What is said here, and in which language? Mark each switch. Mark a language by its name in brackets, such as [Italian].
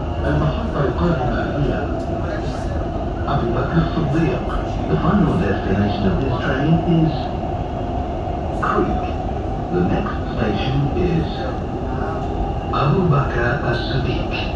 [Arabic] المحطة القادمة هي أبو بكر الصديق. [English] The final destination of this train is Creek. The next station is أبو بكر الصديق.